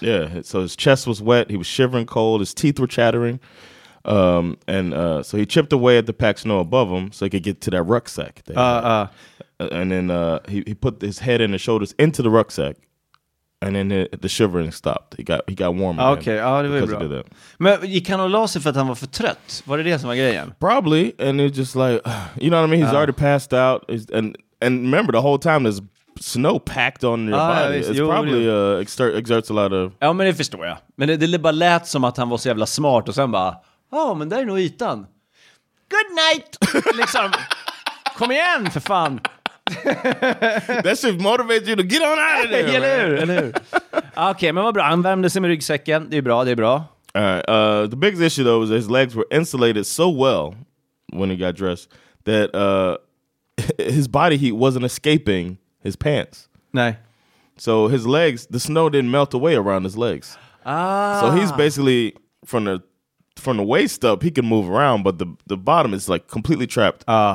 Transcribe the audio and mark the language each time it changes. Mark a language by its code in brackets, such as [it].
[en] Yeah, so his chest was wet. He was shivering cold. His teeth were chattering. So he chipped away at the packed snow above him so he could get to that rucksack. And then he put his head and his shoulders into the rucksack, and then the shivering stopped. He got warmer. [sv] Okay, det var bra. Men gick han och la sig för att han var för trött? Var det det som var grejen? [en] Probably, and it's just like, you know what I mean? He's already passed out. And remember, the whole time there's snow packed on your body. It probably exerts a lot of... [sv] Ja, men det förstår jag. Men det bara lät som att han var så jävla smart, och sen bara, men där är nog ytan. [en] Good night! [sv] Liksom... Kom igen, för fan. [en] That should motivate you to get on out of there. [sv] Eller hur? Okej, men vad bra. Han värmde sig med ryggsäcken. Det är bra. [en] The biggest issue though was that his legs were insulated so well when he got dressed that his body heat wasn't escaping his pants. [sv] Nej. [en] So his legs, the snow didn't melt away around his legs. So he's basically from the waist up, he can move around, but the bottom is like completely trapped.